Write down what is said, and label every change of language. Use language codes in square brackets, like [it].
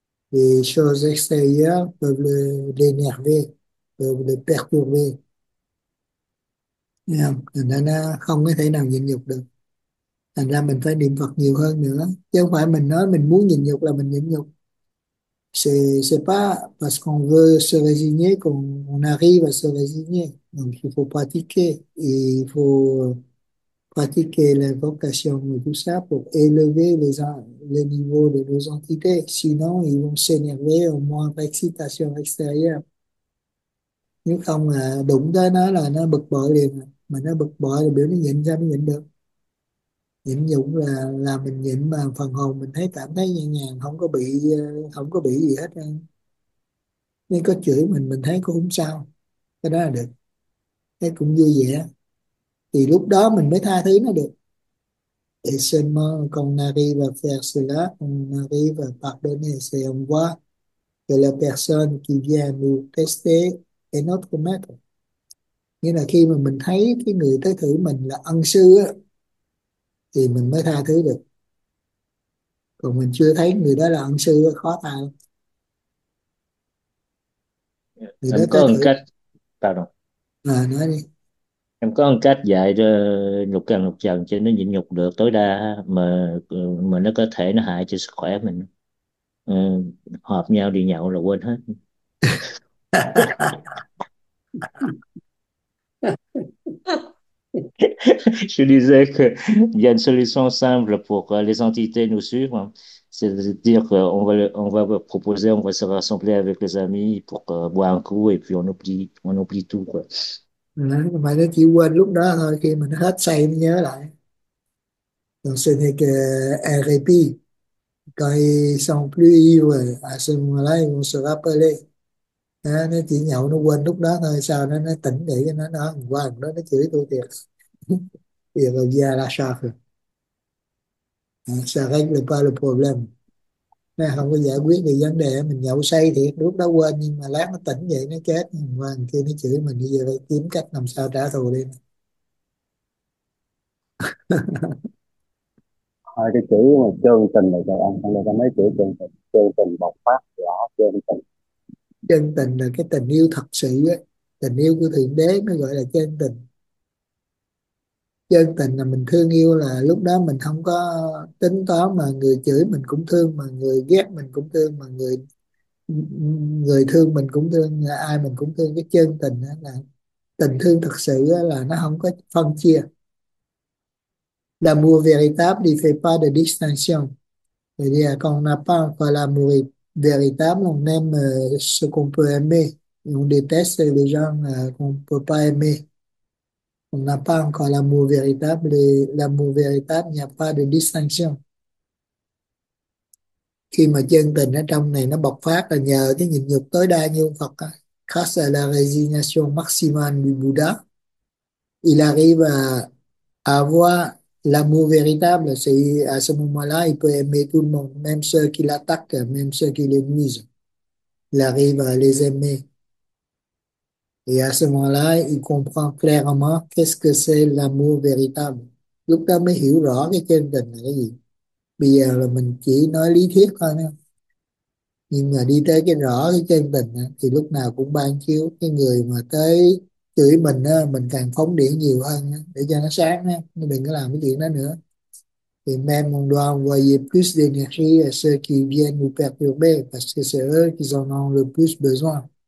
[fr] Vì choses extérieures peuvent l'énerver, peuvent le perturber. [vi] Thành ra nó không có thể nào nhịn nhục được. Thành ra mình phải niệm Phật nhiều hơn nữa. Chứ không phải mình nói mình muốn nhịn nhục là mình nhịn nhục. [fr] C'est pas parce qu'on veut se résigner qu'on arrive à se résigner. Donc, il faut pratiquer. Il faut pratiquer l'invocation et tout ça pour élever les niveaux de nos entités. Sinon, ils vont s'énerver au moindre excitation extérieure. [vi] Nếu không là đụng tới nó là nó bực bội liền. Mà nó bực bội là biểu nó nhịn ra mới nhịn được. Nhịn nhục là mình nhịn mà phần hồn mình thấy cảm thấy nhẹ nhàng, không có bị gì hết. Nên có chửi mình thấy cũng không sao. Cái đó là được. Thấy cũng vui vẻ. Thì lúc đó mình mới tha thứ nó được. [fr] Et seulement quand on arrive à faire cela, on arrive à pardonner, c'est on voit que la personne qui vient nous tester est notre maître. [vi] Nghĩa là khi mà mình thấy cái người tới thử mình là ân sư á, thì mình mới tha thứ được. Còn mình chưa thấy người đó là ân sư khó tha. Người đó Em tới có một thử. cách, [fr] pardon. [vi] À, nói đi. Em có một cách dạy cho nhục càng nhục dần cho nó nhịn nhục được tối đa mà nó có thể nó hại cho sức khỏe mình. Họp nhau đi nhậu là quên hết. [fr] Je disais que il y a une solution simple pour les entités nous suivre, c'est-à-dire qu'on va proposer, on va se rassembler avec les amis pour boire un coup et puis on oublie tout quoi. [vi] Mà nó chỉ quên lúc đó thôi, khi mình hết say mới nhớ lại. [fr] Donc ce n'est que un répit. Quand ils sont plus ivres, à ce moment-là, ils vont se rappeler. [vi] Nó chỉ nhậu nó quên lúc đó thôi, sau đó nó tỉnh để cho nó nói qua lúc đó nó chửi tôi thiệt. Thì rồi ra là sao rồi. [fr] Ça règle pas le problème. [vi] Nó không có giải quyết được vấn đề, mình nhậu say thiệt lúc đó quên, nhưng mà lát nó tỉnh vậy nó chết qua thằng kia nó chửi mình bây giờ phải kiếm cách làm sao trả thù đi. Hai cái chữ mà chân tình là cho anh, hay là mấy chữ chân tình, chân tình bộc phát rõ chân tình. Chân tình là cái tình yêu thật sự ấy. Tình yêu của Thượng Đế mới gọi là chân tình. Chân tình là mình thương yêu, là lúc đó mình không có tính toán, mà người chửi mình cũng thương, mà người ghét mình cũng thương, mà người thương mình cũng thương, ai mình cũng thương. Cái chân tình là tình thương thật sự, là nó không có phân chia. [fr] L'amour véritable ne fait pas de distinction. C'est-à-dire qu'on n'a pas encore l'amour véritable, on aime ce qu'on peut aimer, on déteste les gens qu'on ne peut pas aimer. On n'a pas encore l'amour véritable, et l'amour véritable, il n'y a pas de distinction. [vi] Khi mà chân tình ở trong này nó bộc phát là nhờ cái nhịn nhục tối đa như ông Phật. [fr] Grâce à la résignation maximale du Bouddha, il arrive à avoir l'amour véritable. C'est à ce moment-là, il peut aimer tout le monde, même ceux qui l'attaquent, même ceux qui le nuisent. Il arrive à les aimer. Et à ce moment-là, il comprend clairement qu'est-ce que c'est l'amour véritable. [vi] Lúc đó mới hiểu rõ cái chân tình là cái gì. Bây giờ là mình chỉ nói lý thuyết thôi nha. Nhưng mà đi tới cái rõ cái chân tình thì lúc nào cũng ban chiếu. Cái người mà tới chửi mình càng phóng điện nhiều hơn để cho nó sáng. Nó đừng có làm cái chuyện đó nữa. [fr] Thì même on doit envoyer plus d'énergie à ceux qui viennent nous perturber parce que c'est eux qui en ont le plus besoin.